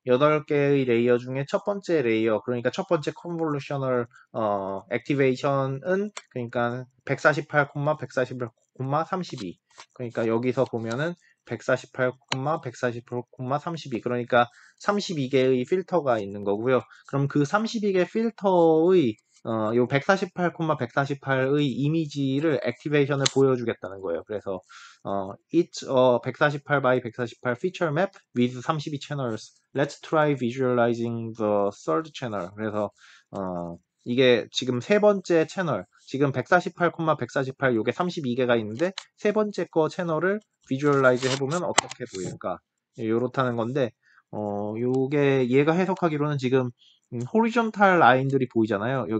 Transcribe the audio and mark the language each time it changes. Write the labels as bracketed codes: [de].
[ko] 8개의 레이어 중에 첫 번째 레이어, 그러니까 첫 번째 컨볼루셔널 액티베이션은 그러니까 148,148,32. 그러니까 여기서 보면은 148,148,32. 그러니까 32개의 필터가 있는 거고요. 그럼 그 32개 필터의 요 148,148의 이미지를 액티베이션을 보여주겠다는 거예요. [en] 그래서 it's a 148x148 feature map with 32 channels. Let's try visualizing the third channel. [ko] 그래서 이게 지금 세 번째 채널, 지금 148,148 요게 32개가 있는데 세 번째 거 채널을 비주얼라이즈 해보면 어떻게 보일까? 요렇다는 건데 요게 얘가 해석하기로는 지금 호리존탈 라인들이 보이잖아요.